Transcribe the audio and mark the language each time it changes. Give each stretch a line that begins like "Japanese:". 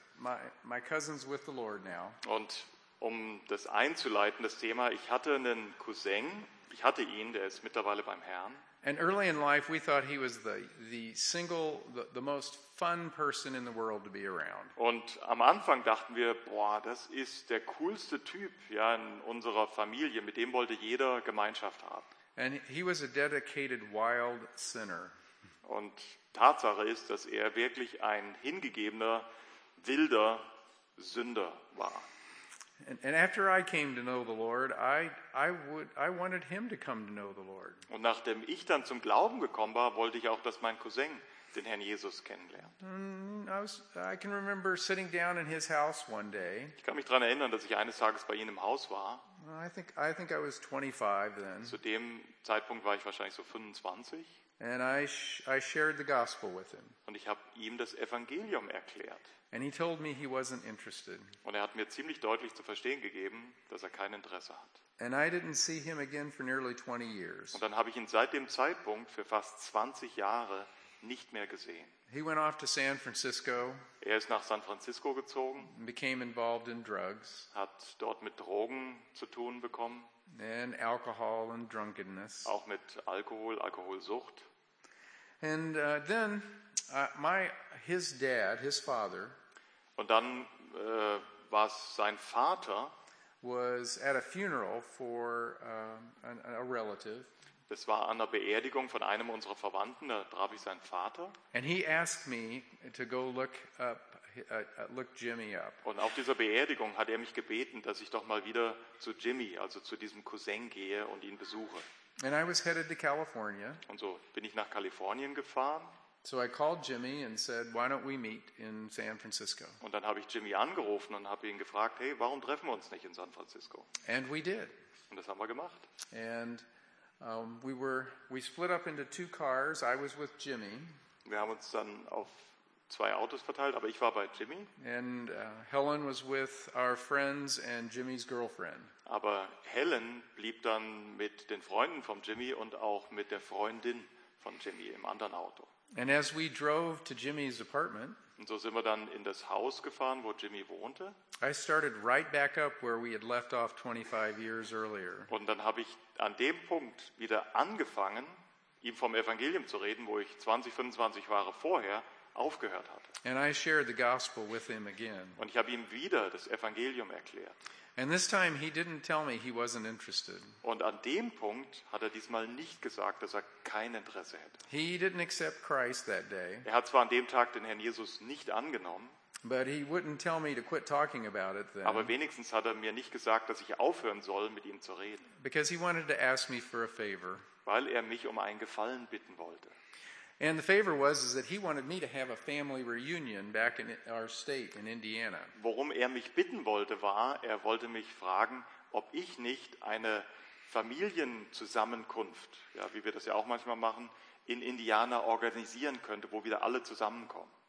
English: My cousin's with the Lord now.
German: Und um das einzuleiten, das Thema: Ich hatte einen Cousin. Ich hatte ihn. Der ist mittlerweile beim Herrn.
English: And early in life we thought he was the most fun person in the world to be around.
German: Und am Anfang dachten wir, boah, das ist der coolste Typ, ja, in unserer Familie, mit dem wollte jeder Gemeinschaft haben.
English: And he was a dedicated wild sinner.
German: Und Tatsache ist, dass er wirklich ein hingegebener wilder Sünder war.
English: And after I came to know the Lord, I wanted him to come to know the Lord.
German: Und nachdem ich dann zum Glauben gekommen war, wollte ich auch, dass mein Cousin den Herrn Jesus kennenlernt.
English: I can remember sitting down in his house one day.
German: Ich kann mich daran erinnern, dass ich eines Tages bei ihm im Haus war.
English: I think I was 25 then.
German: Zu dem Zeitpunkt war ich wahrscheinlich so 25.
English: And I shared the gospel with him.
German: Und ich habe ihm das Evangelium erklärt.
English: And he told me he wasn't interested.
German: Und hat mir ziemlich deutlich zu verstehen gegeben, dass kein Interesse hat.
English: And I didn't see him again for nearly 20 years.
German: Und dann habe ich ihn seit dem Zeitpunkt für fast 20 Jahre nicht mehr gesehen.
English: He went off to San Francisco.
German: Er ist nach San Francisco gezogen.
English: And became involved in drugs.
German: Hat dort mit Drogen zu tun bekommen.
English: And alcohol and drunkenness.
German: Auch mit Alkohol, Alkoholsucht.
English: And then his dad, his father.
German: Und dann war sein Vater.
English: Was at a funeral for a relative.
German: Das war an der Beerdigung von einem unserer Verwandten, da traf ich seinen Vater.
English: And he asked me to go look Jimmy up.
German: Und auf dieser Beerdigung hat er mich gebeten, dass ich doch mal wieder zu Jimmy, also zu diesem Cousin gehe und ihn besuche.
English: And I was headed to California.
German: Und so bin ich nach Kalifornien gefahren.
English: So I called Jimmy and said, why don't we meet in San Francisco?
German: Und dann habe ich Jimmy angerufen und habe ihn gefragt, hey, warum treffen wir uns nicht in San Francisco?
English: And we did.
German: Und das haben wir gemacht.
English: And we split up into two cars. I was with Jimmy.
German: Wir haben uns dann auf zwei Autos verteilt, aber ich war bei Jimmy.
English: And Helen was with our friends and Jimmy's girlfriend.
German: Aber Helen blieb dann mit den Freunden von Jimmy und auch mit der Freundin von Jimmy im anderen Auto.
English: And as we drove to Jimmy's apartment,
German: und so sind wir dann in das Haus gefahren, wo Jimmy wohnte.
English: I started right back up where we had left off 25 years earlier.
German: Und dann habe ich an dem Punkt wieder angefangen, ihm vom Evangelium zu reden, wo ich 25 Jahre vorher aufgehört hatte.
English: And I shared the gospel with him again.
German: Und ich habe ihm wieder das Evangelium erklärt.
English: And this time he didn't tell me he wasn't interested.
German: Und an dem Punkt hat er diesmal nicht gesagt, dass er kein Interesse hätte.
English: He didn't accept Christ that day.
German: Er hat zwar an dem Tag den Herrn Jesus nicht angenommen.
English: But he wouldn't tell me to quit talking about it then.
German: Aber wenigstens hat er mir nicht gesagt, dass ich aufhören soll, mit ihm zu reden.
English: Because he wanted to ask me for a favor.
German: Weil er mich um einen Gefallen bitten wollte.
English: And the favor was is that he wanted me to have a family reunion back in our state in Indiana.
German: Worum er mich bitten wollte, war, er wollte mich fragen, ob ich nicht eine Familienzusammenkunft, ja, wie wir das ja auch manchmal machen, in Indiana organisieren könnte, wo wieder alle zusammenkommen.